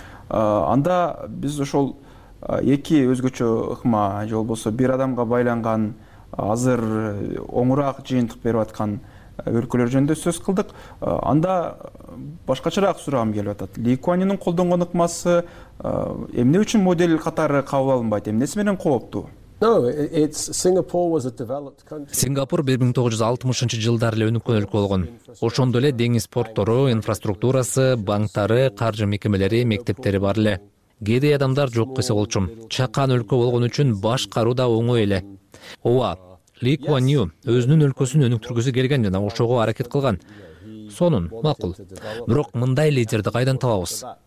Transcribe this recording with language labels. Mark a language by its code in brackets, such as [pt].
[ky] Анда биз ошол эки өзгөчө ыкма же болбосо бир адамга байланган азыр оңураак жыйынтык берип аткан өлкөлөр жөнүндө сөз кылдык. Анда башкачараак сурагым келип атат. Ли Куан Юнун колдонгон ыкмасы эмне үчүн модель катары кабыл алынбайт? Эмнеси менен кооптуу? [en] No, it's Singapore was a developed country. [ky] Сингапур 1960-жылдар эле өнүккөн өлкө болгон. Ошондо эле деңиз порттору, инфраструктурасы, банктары, каржы мекемелери, мектептери бар эле. Кедей адамдар жок кылса болчу. Чакан өлкө болгон үчүн башкаруу да оңой эле. Ооба, Ли Куан Ю өзүнүн өлкөсүн өнүктүргүсү келген жана ошого аракет кылган. Сонун, макул. Бирок мындай лидерди кайдан табабыз?